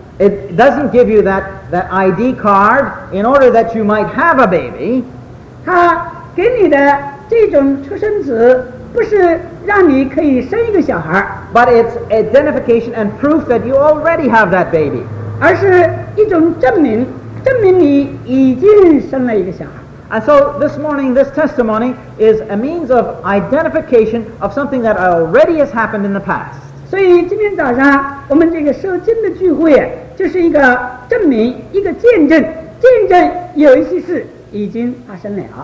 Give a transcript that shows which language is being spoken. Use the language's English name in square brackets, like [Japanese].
[English] It doesn't give you that ID card in order that you might have a baby. [Chinese] 他给你的这种出生纸不是让你可以生一个小孩, [English] but it's identification and proof that you already have that baby. [Chinese] 而是一种证明，证明你已经生了一个小孩。 [English] And so this morning, this testimony is a means of identification of something that already has happened in the past. [Chinese] 所以今天早上我们这个受浸的聚会, 这是一个证明，一个见证，见证有一些事已经发生了。